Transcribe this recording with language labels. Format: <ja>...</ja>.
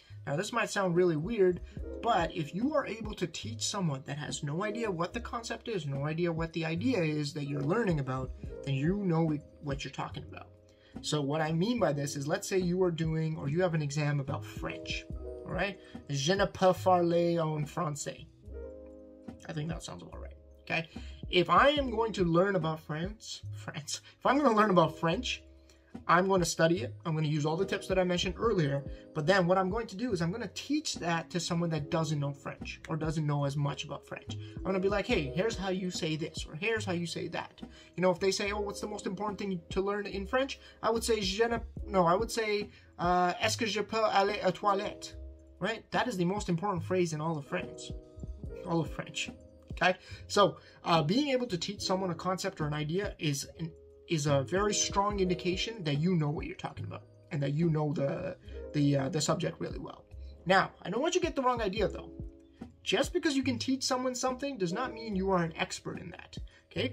<en>Now, this might sound really weird, but if you are able to teach someone that has no idea what the concept is, no idea what the idea is that you're learning about, then you know what you're talking about. So what I mean by this is, let's say you are doing, or you have an exam about French, all right?</en> <fr>Je ne peux parler en français.</fr> <en>I think that sounds about right, okay? If I am going to learn about France, if I'm going to learn about French, I'm going to study it. I'm going to use all the tips that I mentioned earlier. But then what I'm going to do is I'm going to teach that to someone that doesn't know French or doesn't know as much about French. I'm going to be like, hey, here's how you say this, or here's how you say that. You know, if they say, oh, what's the most important thing to learn in French? I would say,</en> <fr>est-ce que je peux aller à toilette?</fr> <en>Right? That is the most important phrase in all of France. All of French. Okay? So being able to teach someone a concept or an idea is a very strong indication that you know what you're talking about and that you know the subject really well. Now, I don't want you to get the wrong idea though. Just because you can teach someone something does not mean you are an expert in that, okay?</en>